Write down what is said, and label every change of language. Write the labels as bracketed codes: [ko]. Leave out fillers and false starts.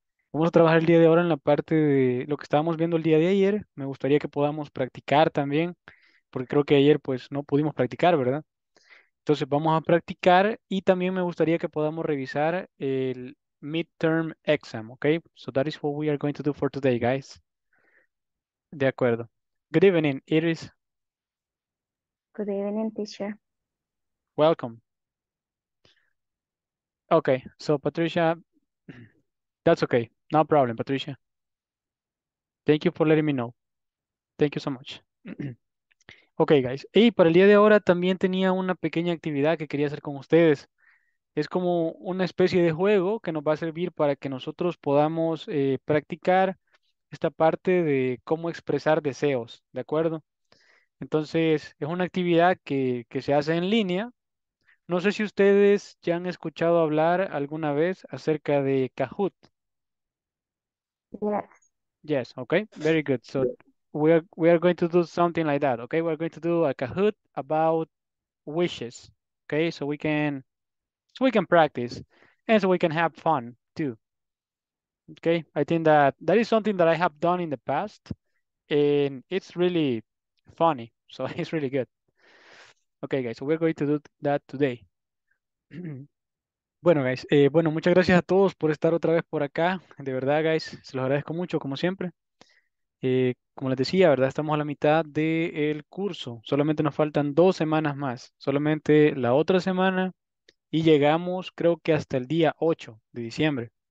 [es] Vamos a trabajar el día de ahora en la parte de lo que estábamos viendo el día de ayer. Me gustaría que podamos practicar también, porque creo que ayer pues no pudimos practicar, ¿verdad? Entonces vamos a practicar y también me gustaría que podamos revisar el midterm exam, ¿ok? [en] So that is what we are going to do for today, guys. [es] De acuerdo. [en] Good evening, Iris. Good evening, teacher. Welcome. Okay, so Patricia, that's okay. No problem, Patricia. Thank you for letting me know. Thank you so much. Okay, guys. [es] Y para el día de ahora también tenía una pequeña actividad que quería hacer con ustedes. Es como una especie de juego que nos va a servir para que nosotros podamos practicar esta parte de cómo expresar deseos, ¿de acuerdo? Entonces, es una actividad que se hace en línea. No sé si ustedes ya han escuchado hablar alguna vez acerca de Kahoot. [en] Yes, okay, very good. So we are going to do something like that, okay? We're going to do a Kahoot about wishes, okay? So we can practice and so we can have fun too. Okay, I think that is something that I have done in the past and it's really funny, so it's really good. Okay, guys, so we're going to do that today. [es] Bueno, guys, bueno, muchas gracias a todos por estar otra vez por acá. De verdad, guys, se los agradezco mucho, como siempre. Como les decía, ¿verdad? Estamos a la mitad del curso. Solamente nos faltan 2 semanas más. Solamente la otra semana. Y llegamos, creo que hasta el día 8 de diciembre.